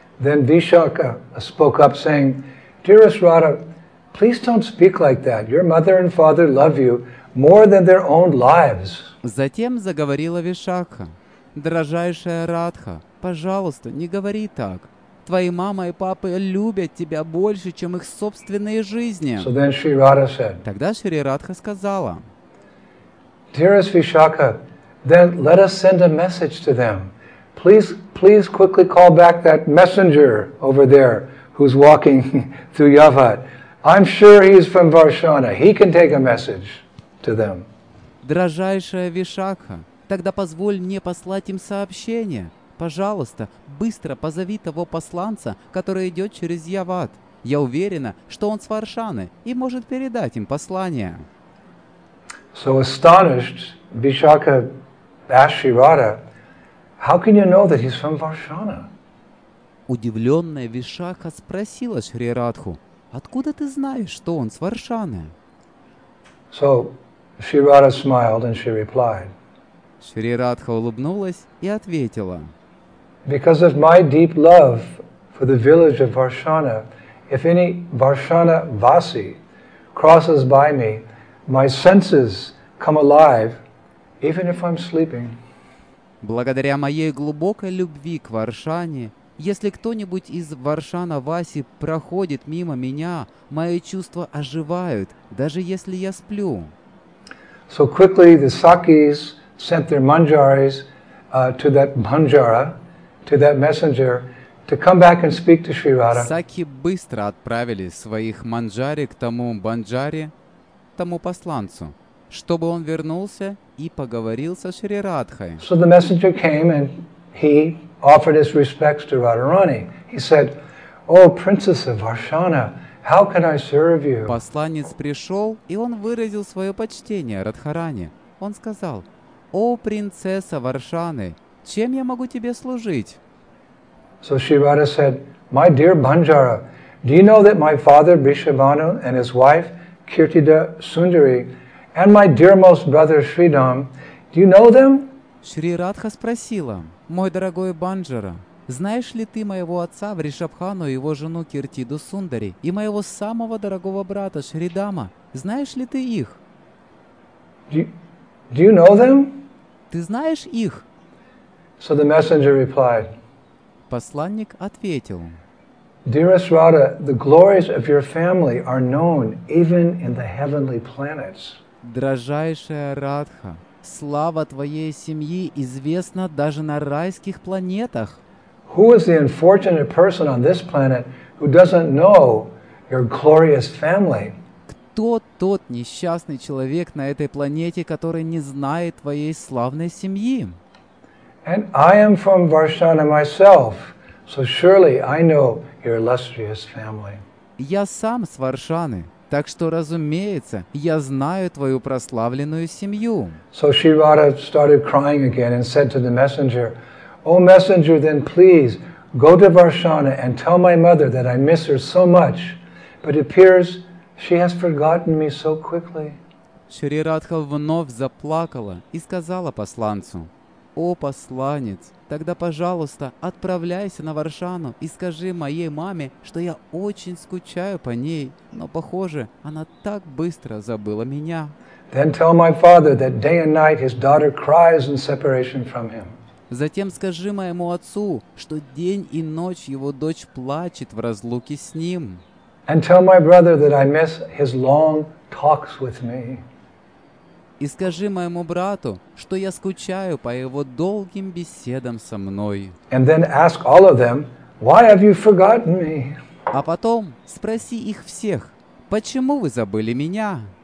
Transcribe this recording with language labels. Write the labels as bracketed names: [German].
[English] Then Vishakha spoke up saying, Dearest Radha, please don't speak like that. Your mother and father love you more than their own lives. [Russian] Затем заговорила Вишакха. Дорожайшая Радха, пожалуйста, не говори так. Твои мама и папа любят тебя больше, чем их собственные жизни. [English] So then Shri Radha said, [Russian] Тогда Шри Радха сказала, [English] Dearest Vishakha, then let us send a message to them. Please quickly call back that messenger over there who's walking through Yavat. I'm sure he's from Varshana. He can take a message to them. [Russian] Дорожайшая Вишакха, тогда позволь мне послать им сообщение. Пожалуйста, быстро позови того посланца, который идет через Яват. Я уверена, что он с Варшаны и может передать им послание. [English] So astonished, Vishakha asked Shri Radha, how can you know that he's from Varshana? [Russian] Удивленная Вишакха спросила Шри Радху, откуда ты знаешь, что он с Варшаны? [English] So Shri Radha smiled and she replied. [Russian] Шри Радха улыбнулась и ответила. [English] Because of my deep love for the village of Varshana, if any Varshana Vasi crosses by me, my senses come alive, even if I'm sleeping. [Russian] Благодаря моей глубокой любви к Варшане, если кто-нибудь из Варшана Васи проходит мимо меня, мои чувства оживают, даже если я сплю. [English] So quickly the Sakis sent their manjaris to that manjara, to that messenger, to come back and speak to Shri Radha. [Russian] Саки быстро отправили своих манджари к тому банджари, тому посланцу, чтобы он вернулся и поговорил со Шри Радхой. [English] So the messenger came and he offered his respects to Radharani. He said, O princess of Varshana, how can I serve you? [Russian] Посланец пришел, и он выразил свое почтение Радхарани. Он сказал, О принцесса Варшаны, чем я могу тебе служить? [English] So Shri Radha said, My dear Banjara, do you know that my father Brishabhanu and his wife Kirtida Sundari and my dearmost brother Sridham, do you know them? [Russian] Shri Radha спросила, Мой дорогой Банджара, знаешь ли ты моего отца Вришабхану и его жену Киртиду Сундари и моего самого дорогого брата Шридама? Знаешь ли ты их? [English] Do you know them? [Russian] Ты знаешь их? [English] So the messenger replied, [Russian] Посланник ответил, [English] Dearest Radha, the glories of your family are known even in the heavenly planets. [Russian] Дорожайшая Радха, слава твоей семьи известна даже на райских планетах. [English] Who is the unfortunate person on this planet who doesn't know your glorious family? [Russian] Кто тот несчастный человек на этой планете, который не знает твоей славной семьи? [English] And I am from Varshana myself, so surely I know your illustrious family. [Russian] Я сам с Варшаны, так что, разумеется, я знаю твою прославленную семью. [English] So Shri Radha started crying again and said to the messenger, O messenger, then please go to Varshana and tell my mother that I miss her so much, but it appears she has forgotten me so quickly. [Russian] Шри Радха вновь заплакала и сказала посланцу, О, посланец, тогда, пожалуйста, отправляйся на Варшану и скажи моей маме, что я очень скучаю по ней, но, похоже, она так быстро забыла меня. [English] Then tell my father that day and night his daughter cries in separation from him. [Russian] Затем скажи моему отцу, что день и ночь его дочь плачет в разлуке с ним. [English] And tell my brother that I miss his long talks with me. [Russian] и скажи моему брату, что я скучаю по его долгим беседам со мной. [English] And then ask all of them, why have you forgotten me? [Russian] А потом спроси их всех, почему вы забыли меня?